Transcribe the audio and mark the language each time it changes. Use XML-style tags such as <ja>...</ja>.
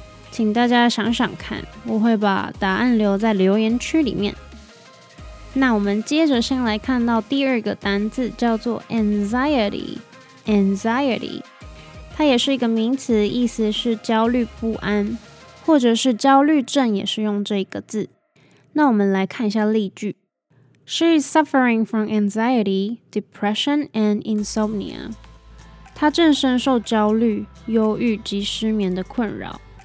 <zh>请大家想想看，我会把答案留在留言区里面。那我们接着先来看到第二个单字叫做 anxiety， 它也是一个名词，意思是焦虑不安，或者是焦虑症，也是用这个字。那我们来看一下例句。</zh> <en>She is suffering from anxiety, depression, and insomnia.</en> <zh>她正深受焦虑、忧郁及失眠的困扰。</zh>